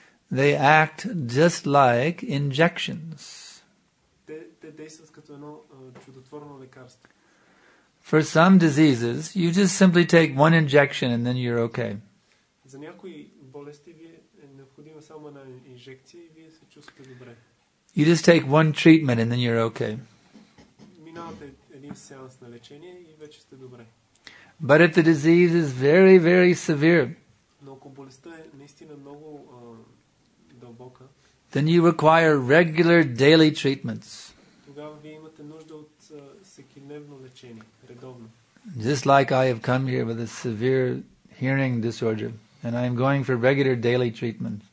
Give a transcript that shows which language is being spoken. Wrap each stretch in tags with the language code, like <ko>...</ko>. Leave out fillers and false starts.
<en>They act just like injections.</en> <bg>Те действат като едно чудотворно лекарство.</bg> <en>For some diseases, you just simply take one injection and then you're okay.</en> <bg>За някои болести вие е необходима само една инжекция и вие се чувствате добре.</bg> <en>You just take one treatment and then you're okay.</en> <bg>Минавате един сеанс на лечение и вече сте добре.</bg> <en>But if the disease is very, very severe,</en> <bg>но ако болестта е наистина много дълбока,</bg> <en>then you require regular daily treatments.</en> <bg>Тогава вие имате нужда от всекидневно лечение, редовно.</bg> <en>Just like I have come here with a severe hearing disorder and I am going for regular daily treatment.</en>